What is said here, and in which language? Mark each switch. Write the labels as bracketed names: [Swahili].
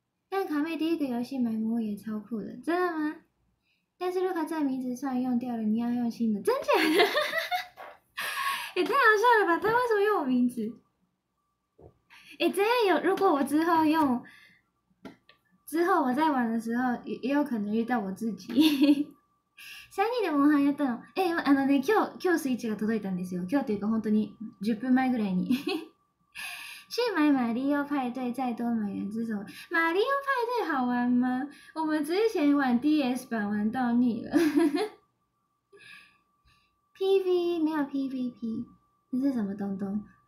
[Chinese] 但卡妹第一个游戏买魔物也超酷的，真的吗？但是如果在名字上用掉了，你要用新的，真假的？也太好笑了吧！他为什么用我名字？哎，这样有，如果我之后用。之后我在玩的时候，也有可能遇到我自己。 [Japanese] 三 人でモンハンやったの。え、あのね、今日スイッチが届いたんですよ。今日というか本当に10分前ぐらいに。 [Chinese] 去买马里奥派对，再多买点这种。马里奥派对好玩吗？我们之前玩 DS 版玩到腻了。 PVE 没有 PVP，那是什么东东？